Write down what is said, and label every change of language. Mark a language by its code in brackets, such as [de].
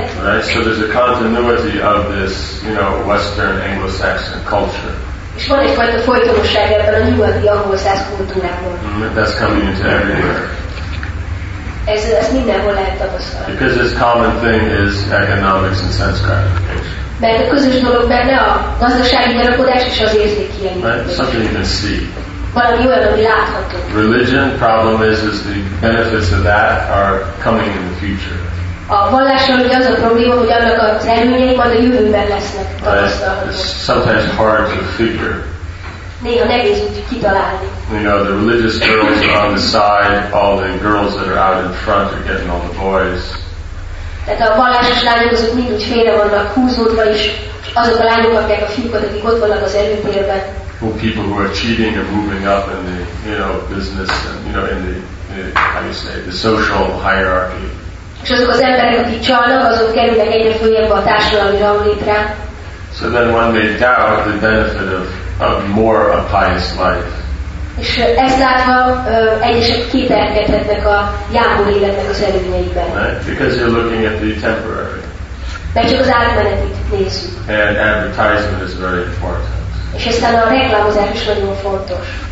[en] Right, so there's a continuity of this, you know, Western Anglo-Saxon culture. [hu] És van egyfajta folytonosság ebben a nyugati angol-szász kultúrában. [en] That's coming into everywhere. [hu] Ez mindenhol lehet tapasztalni. [en] Because this common thing is economics and sense gratification. [hu] Mert a közös dolog benne a gazdasági gyarapodás és az érzékkielégítés. [en] Something you can see. [hu] Valami olyan, ami látható. [en] Religion problem is the benefits of that are coming in the future. [hu] A vallással ugye az a probléma, hogy annak az előnyei majd a jövőben lesznek tapasztalható. [en] Sometimes hard to figure. [hu] Néha nehéz úgy kitalálni. [en] You know, the religious girls are on the side, all the girls that are out in front are getting all the boys. [hu] Tehát a vallásos lányok azok mind úgy félre vannak húzódva is, azok a lányok kapják a fiúkat, akik ott vannak az előtérben. [en] People who are cheating and moving up in the, you know, business and, you know, in the, how do you say, the social hierarchy. [hu] És azok az emberek, akik csalnak, azok kerülnek egyre följebb a társadalmi ranglétre. [en] So then one may doubt the benefit of more a pious life. [hu] És ezt látva egyesek kételkedhetnek a jámbor életnek az előnyeiben. [en] Right? Because you're looking at the temporary. [hu] Mert csak az átmenetit nézzük. [en] And advertisement is very important. [hu] És aztán a reklámozás is nagyon fontos.